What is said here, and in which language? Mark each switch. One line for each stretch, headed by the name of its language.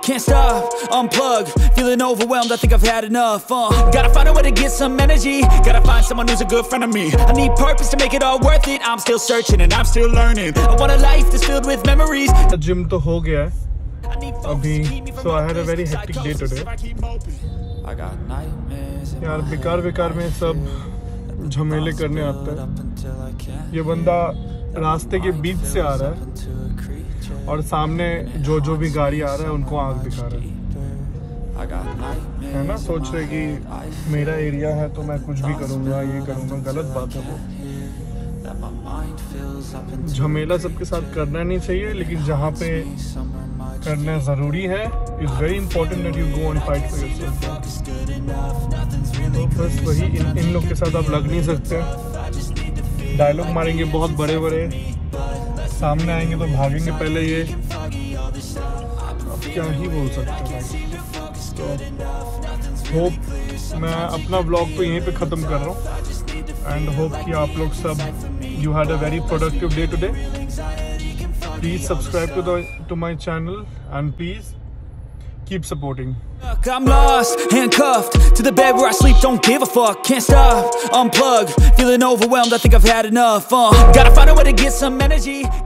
English: Can't stop, unplug. Feeling overwhelmed, I think I've had enough. Gotta find a way to get some energy. Gotta find someone who's a good friend of me. I need purpose to make it all worth it. I'm still searching and I'm still learning. I want a life that's filled with memories.
Hindi: The gym to ho gaya abhi.
English: So I had a very hectic day today. I got nightmares.
Hindi: यार बेकार बेकार में सब झमेले करने आते हैं। ये बंदा रास्ते के बीच से आ रहा है और सामने जो जो भी गाड़ी आ रहा है उनको आग दिखा रहा है ना। सोच रहे कि मेरा एरिया है तो मैं कुछ भी करूंगा, ये करूंगा। गलत बात है। वो झमेला सबके साथ करना नहीं चाहिए, लेकिन जहाँ पे करना जरूरी है,
English: It's very important that you go and fight for yourself.
Hindi: बस वही, इन लोग के साथ आप लग नहीं सकते। डायलॉग मारेंगे बहुत बड़े बड़े, सामने आएंगे तो भागेंगे पहले ये। अब क्या ही बोल सकते हैं। होप मैं अपना व्लॉग तो यहीं पे ख़त्म कर रहा हूँ।
English: and hope
Hindi: कि आप लोग सब,
English: You had a very productive day today. Please subscribe to my channel and please keep supporting. I'm lost, handcuffed to the bed where I sleep. Don't give a fuck. Can't stop, unplug. Feeling overwhelmed. I think I've had enough. Gotta find a way to get some energy.